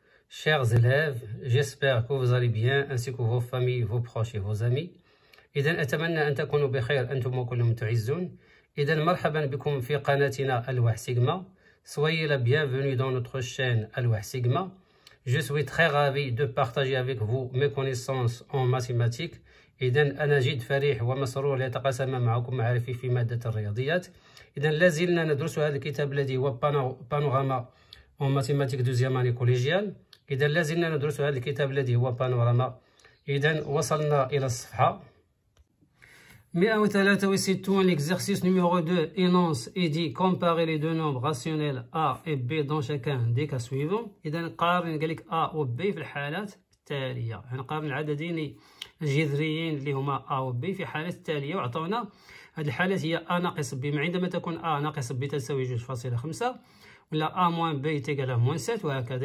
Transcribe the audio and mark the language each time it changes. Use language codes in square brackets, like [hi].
[fr] Chers élèves, j'espère que vous allez bien ainsi que vos familles, vos proches et vos amis. [ar] إذن أتمنى أن تكونوا بخير أنتم وكلهم تعزون. إذن مرحبا بكم في قناتنا ألواح سيغما. [fr] Soyez la bienvenue dans notre chaîne ألواح سيغما. Je suis très ravi de partager avec vous mes connaissances en mathématiques. [ar] إذن أنا جد فرح ومسرور لأتقاسم معكم معرفي في مادة الرياضيات. إذن لازلنا ندرس هذا الكتاب الذي هو بانوراما [fr] en mathématiques deuxième année collégiale. [ar] إذن لازلنا ندرس هذا الكتاب الذي هو بانوراما. إذن وصلنا إلى الصفحة 163, [fr] l'exercice numéro 2 énonce et dit comparer les deux nombres rationnels A et B dans chacun des cas suivants. Et donc, [ar] قارن قال لك A ou B في الحالات التالية. يعني قارن العددين الجذريين اللي هما A ou B في حالات التالية. وعطونا هذه الحالات هي A ناقص B. عندما تكون A ناقص B تساوي 2.5 ولا A موان B تقال موان 7 وهكذا.